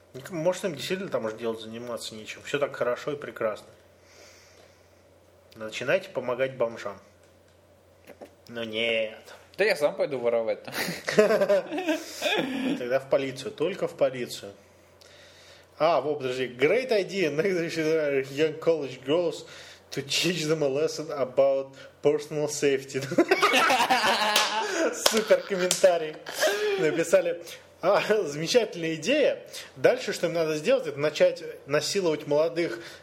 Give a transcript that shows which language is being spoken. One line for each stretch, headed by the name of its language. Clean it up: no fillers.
Russian: Может, им действительно там уж делать заниматься нечем. Все так хорошо и прекрасно. Начинайте помогать бомжам. Но нет. Да я сам пойду воровать. Тогда в полицию, только в полицию. А, вот, подожди.
English: Great idea, next young college girls to teach them a lesson about personal safety.
Russian: Супер комментарий. Написали, а, замечательная идея. Дальше, что им надо сделать, это начать насиловать молодых